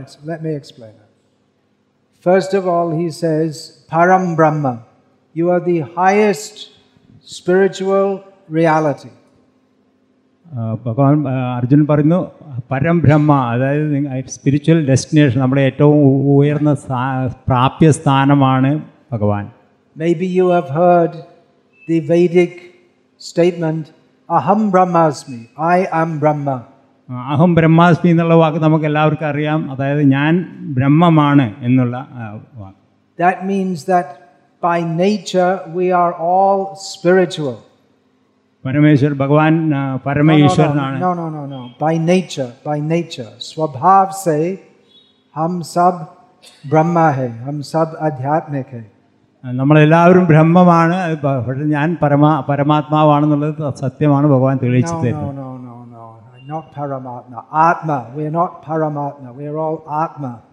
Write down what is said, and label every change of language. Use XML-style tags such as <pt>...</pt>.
<en>let me explain first of all he says param brahma you are the highest spiritual reality</en> <ml>ഭഗവാൻ അർജുനൻ പറയുന്നു പരം ബ്രഹ്മ അതായത്</ml> <en>spiritual destination</en> <ml>നമ്മുടെ ഏറ്റവും ഉയർന്ന പ്രാപ്യ സ്ഥാനമാണ് ഭഗവാൻ</ml> <en>may be you have heard the Vedic statement,</en> <sa>Aham Brahmasmi,</sa> <en>I am Brahma.</en> <ml>അഹം ബ്രഹ്മാസ്മി എന്നുള്ള വാക്ക് നമുക്ക് എല്ലാവർക്കും അറിയാം, അതായത് ഞാൻ ബ്രഹ്മമാണ് എന്നുള്ള വാക്ക്.</ml> <en>That means that by nature we are all spiritual.</en> <ml>Parameshwar ഭഗവാൻ പരമേശ്വരനാണ്.</ml> <en>No. By nature.</en> <hi>സ്വഭാവ സെ ഹം സബ് ബ്രഹ്മ ഹേ, ഹം സബ് അധ്യാത്മിക ഹേ.</hi> <ml>നമ്മളെല്ലാവരും ബ്രഹ്മമാണ്, പക്ഷേ ഞാൻ പരമാത്മാവാണെന്നുള്ളത് സത്യമാണ് ഭഗവാൻ തെളിയിച്ചു തരുന്നത്.</ml> <en>Not Paramatma, Atma. We're not Paramatma, we're all Atma.</en>